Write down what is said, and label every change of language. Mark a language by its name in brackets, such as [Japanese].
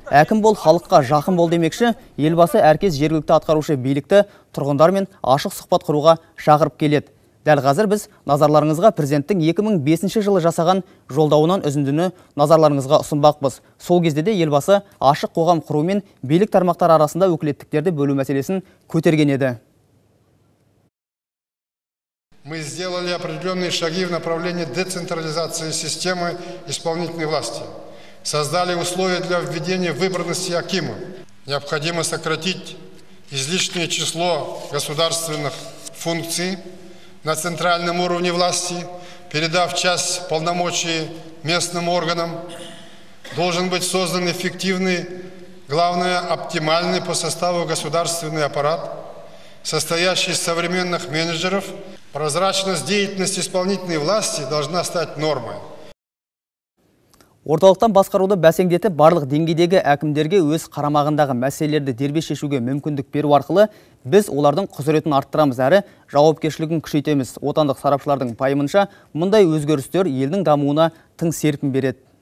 [Kazakh] Әкім бол халыққа жақын бол демекші, елбасы әркез жергілікті атқарушы билікті тұрғындармен ашық сұхбат құруға шақырып келеді. Дәл қазір біз назарларыңызға президенттің 2005 жылы жасаған жолдауынан үзіндіні назарларыңызға ұсынбақпыз. Сол кезде де елбасы ашық қоғам құру мен билік тармақтары арасында өкілеттіктерді бөлу мәселесін көтерген еді. [Russian] Мы сделали определенные шаги в направлении децентрализации системы исполнительной власти. Создали условия для введения выборности акима. Необходимо сократить излишнее число государственных функций на центральном уровне власти, передав часть полномочий местным органам. Должен быть создан эффективный, главное, оптимальный по составу государственный аппарат, состоящий из современных менеджеров. Прозрачность деятельности исполнительной власти должна стать нормой. [Kazakh] Орталықтан басқаруды бәсеңдетіп, барлық деңгейдегі әкімдерге өз қарамағындағы мәселелерді дербес шешуге мүмкіндік беру арқылы біз олардың құзыретін арттырамыз, әрі жауапкершілігін күшейтеміз. Отандық сарапшылардың пайымынша, мұндай өзгерістер елдің дамуына тың серпін береді.